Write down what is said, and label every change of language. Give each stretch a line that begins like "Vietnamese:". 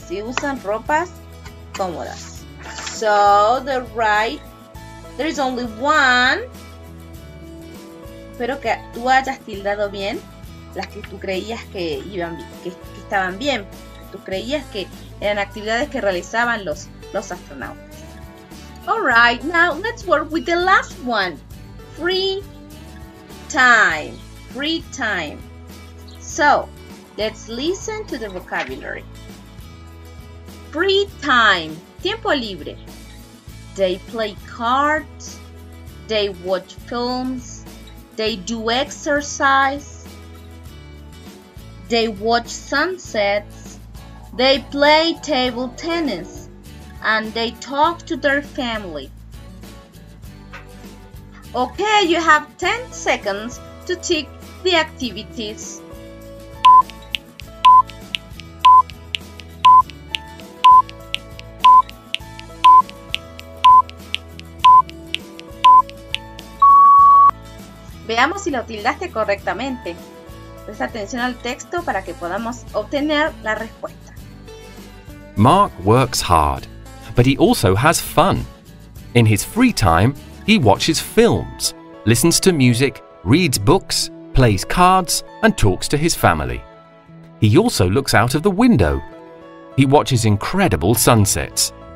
Spanish: Sí, usan ropas cómodas.
English: So, the right, there is only one.
Spanish: Espero que tú hayas tildado bien las que tú creías que iban bien, que estaban bien. Tú creías que eran actividades que realizaban los astronautas.
English: Alright, now let's work with the last one. Free time. Free time. So, let's listen to the vocabulary. Free time.
Spanish: Tiempo libre.
English: They play cards. They watch films. They do exercise. They watch sunsets. They play table tennis. And they talk to their family. Okay, you have 10 seconds to tick the activities.
Spanish: Veamos si lo tildaste correctamente. Presta atención al texto para que podamos obtener la respuesta.
English: Mark works hard, but he also has fun. In his free time, he watches films, listens to music, reads books, plays cards, and talks to his family. He also looks out of the window. He watches incredible sunsets.